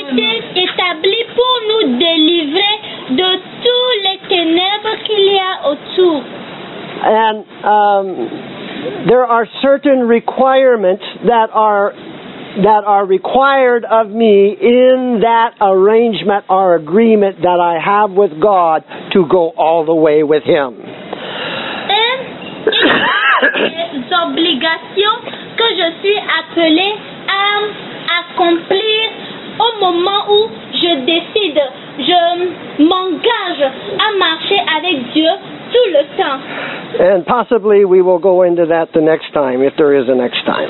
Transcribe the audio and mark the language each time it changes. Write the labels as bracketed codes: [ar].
[fr] Est établi pour nous délivrer de toutes les ténèbres qu'il y a autour. [en] And there are certain requirements that are required of me in that arrangement or agreement that I have with God to go all the way with Him. [fr] Des obligations que je suis appelée à accomplir au moment où je décide, je m'engage à marcher avec Dieu tout le temps. [en] And possibly we will go into that the next time, if there is a next time.